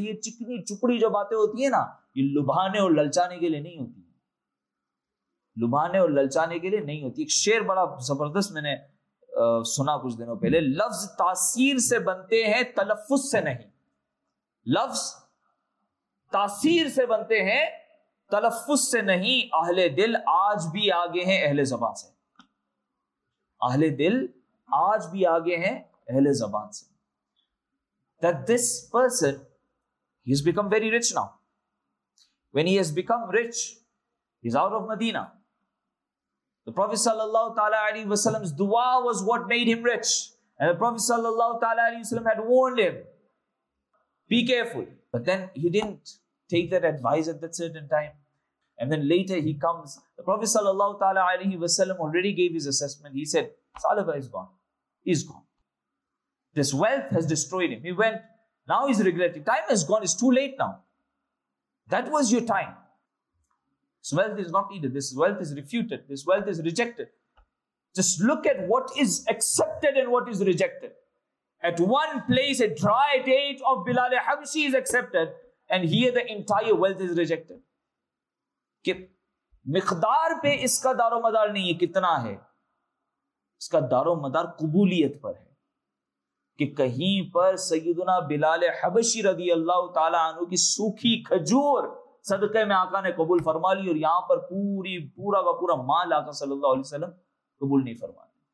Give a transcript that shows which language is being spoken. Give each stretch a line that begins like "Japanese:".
Urdu: یہ چکنی چپڑی جو باتیں ہوتی ہیں نا، یہ لبھانے اور للچانے کے لیے نہیں ہوتی، لبھانے اور للچانے کے لیے نہیں ہوتی. ایک شعر بڑا زبردست میں نے سنا کچھ دنوں پہلے، لفظ تاثیر سے بنتے ہیں تلفظ سے نہیں، لفظ تاثیر سے بنتے ہیں تلفظ سے نہیں، اہل دل آج بھی آگے ہیں اہل زبان سے، اہل دل آج بھی آگے ہیں اہل زبان سے.
English: That this person, he has become very rich now. When he has become rich, he is out of Medina. The Prophet sallallahu ta'ala alayhi wa sallam's dua was what made him rich. And the Prophet sallallahu ta'ala alayhi wa sallam had warned him, be careful. But then he didn't take that advice at that certain time. And then later he comes. The Prophet sallallahu ta'ala alayhi wa sallam already gave his assessment. He said, Salaba is gone. He's gone. This wealth has destroyed him. He went. Now he's regretting. Time has gone. It's too late now. That was your time. This wealth is not needed. This wealth is refuted. This wealth is rejected. Just look at what is accepted and what is rejected. At one place, a dry date of Bilal al-Habshi is accepted, and here the entire wealth is rejected.
Urdu: مقدار پہ اس کا دار و مدار نہیں ہے, کتنا ہے اس کا دار و مدار قبولیت پر ہے کہ کہیں پر سیدنا بلال حبشی رضی اللہ تعالی عنہ کی سوکھی کھجور صدقے میں آقا نے قبول فرما لی, اور یہاں پر پورا کا پورا مال آقا صلی اللہ علیہ وسلم قبول نہیں فرما لی.